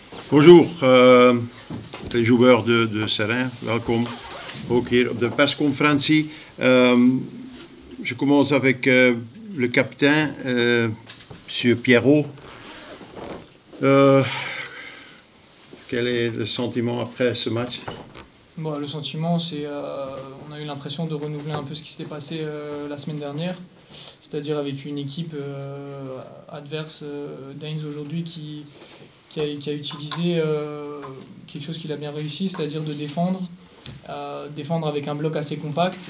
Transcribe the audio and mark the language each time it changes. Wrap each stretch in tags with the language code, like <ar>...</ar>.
<fr>Bonjour, de joueur de Serain.</fr> <nl>Welkom ook hier op de persconferentie.</nl> <fr>Je commence avec le capitaine, monsieur Pierrot. Quel est le sentiment après ce match? Bon, le sentiment, c'est on a eu l'impression de renouveler un peu ce qui s'était passé la semaine dernière, c'est-à-dire avec une équipe adverse, Danes aujourd'hui, qui a utilisé quelque chose qu'il a bien réussi, c'est-à-dire de défendre avec un bloc assez compact.</fr>